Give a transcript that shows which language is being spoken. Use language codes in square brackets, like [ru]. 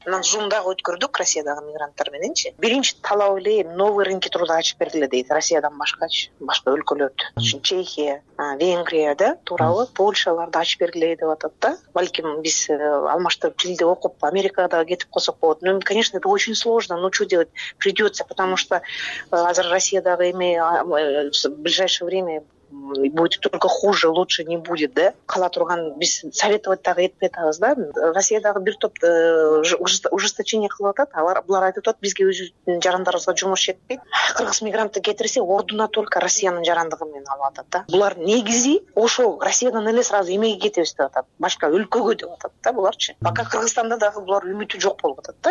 [ky] Мен Зумдагы өткөрдүк Россиядагы мигранттар мененчи. Биринчи талап эле [ru] новый рынки труда [ky] ачып бергиле дейт. Россиядан башкачы, башка өлкөлөрдү. Чехия, Венгрияда тууралы Польшаларда ачып бергиле деп атат да. Балким биз алмаштырып тилди окуп Америкада кетип калсак болот. [ru] Ну, конечно, это очень сложно, но что делать? Придётся, потому что [ky] азыр Россиядагы эме [ru] в ближайшее время будет только хуже, лучше не будет, да? [ky] Кала турган биз советовать дагы этпей атабыз да. Россиядагы бир топ ужесточение кылып атат. Алар айтып атат, бизге өзүбүздүн жарандарыбызга жумуш жетпейт. Кыргыз мигрантты кетирсе, ордуна только Россиянын жарандыгы менен алып атат да. Булар негизи ошол Россиядан эле сразу эмеге кетебиз деп атат. Башка өлкөгө деп атат да буларчы. Пока Кыргызстанда дагы булар үмүтү жок болуп атат да.